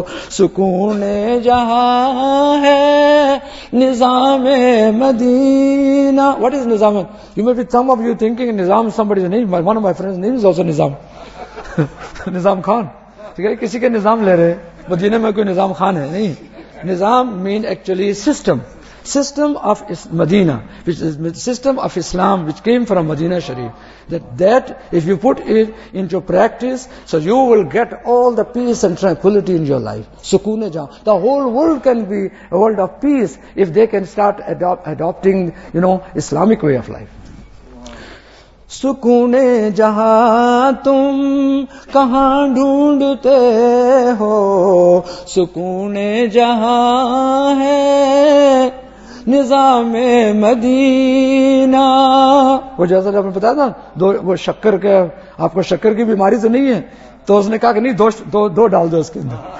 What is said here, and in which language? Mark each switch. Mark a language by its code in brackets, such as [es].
[ur] سکون جہاں ہے نظام مدینہ. [en] What is نظام؟ You may be, some of you thinking نظام somebody's name. One of my friends' name is also Nizam. Nizam Khan. [ur] کسی کے نظام لے رہے ہیں. مدینہ میں کوئی نظام خان ہے نہیں. [en] نظام mean actually system. System of Madina which is system of Islam which came from Madina Sharif. That if you put it into practice so you will get all the peace and tranquility in your life. [ur] سکون جہاں [en] The whole world can be a world of peace if they can start adapting you know Islamic way of life. [ur] سکون جہاں تم کہاں ڈھونڈتے ہو, سکون جہاں ہے نظام مدینہ. وہ جیسا آپ نے بتایا تھا دو, وہ شکر کے, آپ کو شکر کی بیماری تو نہیں ہے؟ تو اس نے کہا کہ نہیں, دو ڈال دو اس کے اندر.